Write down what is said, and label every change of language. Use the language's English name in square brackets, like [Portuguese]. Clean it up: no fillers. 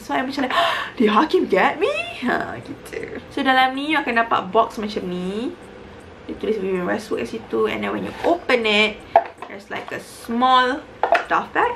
[English] So, I'm macam like, did Hakim get me? [Malay] Ha, gitu. So, dalam ni, you akan dapat box macam ni. Dia tulis Vivian Westwood kat situ. [English] And then, when you open it, there's like a small stuff bag.